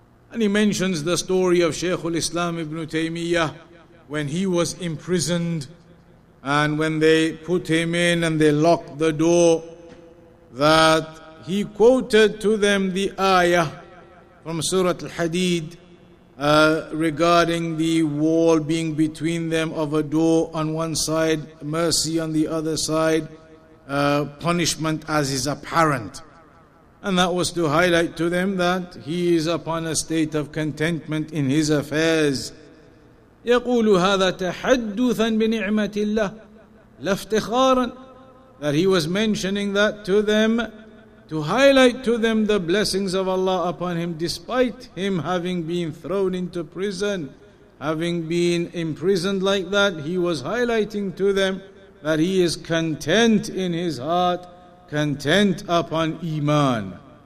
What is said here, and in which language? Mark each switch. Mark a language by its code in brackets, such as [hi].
[en] And he mentions the story of Shaykh al-Islam ibn Taymiyyah when he was imprisoned, and when they put him in and they locked the door, that he quoted to them the ayah from Surah Al-Hadid regarding the wall being between them of a door on one side, mercy on the other side, punishment as is apparent. And that was to highlight to them that he is upon a state of contentment in his affairs. [ar] يقول هذا تحدثا بنعمة الله لا افتخارا. [en] That he was mentioning that to them, to highlight to them the blessings of Allah upon him, despite him having been thrown into prison, having been imprisoned like that, he was highlighting to them that he is content in his heart, content upon Iman.